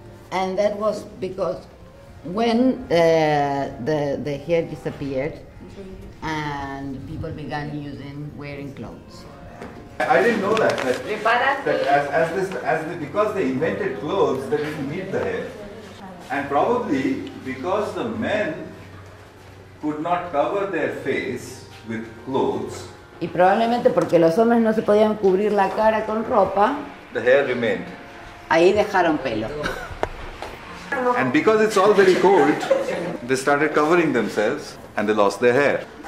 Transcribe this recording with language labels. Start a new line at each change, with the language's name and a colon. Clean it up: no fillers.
English: And that was because when the hair disappeared and people began wearing clothes. I didn't know because they invented clothes, they didn't need the hair. And probably because the men could not cover their face with clothes.
Spanish: Y probablemente porque los hombres no se podían cubrir la cara con ropa.
English: The hair remained.
Spanish: Ahí dejaron pelo.
English: And because it's all very cold, they started covering themselves and they lost their hair.